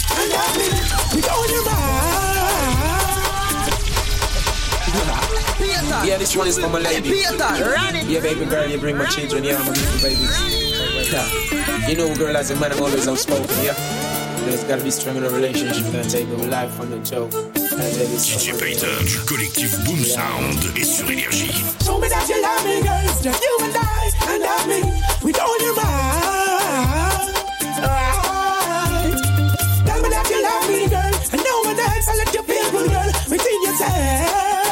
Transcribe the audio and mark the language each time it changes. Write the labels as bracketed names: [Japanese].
[English] And love me, we don't even mind. Yeah, this one is for my lady. Peter, yeah, baby girl, you bring my children. Yeah, I'm a little baby. You know, girl, as a man, I'm always outspoken. Yeah, there's gotta be strong in a relationship. You can't take a life on the joke. [French] DJ Payton, du collectif Boom Sound, et sur Énergie. [English] Show me that you love me, girls, just you and I, and love me. We don't need mind. Tell me that you love me, girl, and no one else. I let you feel good, girl, between yourself.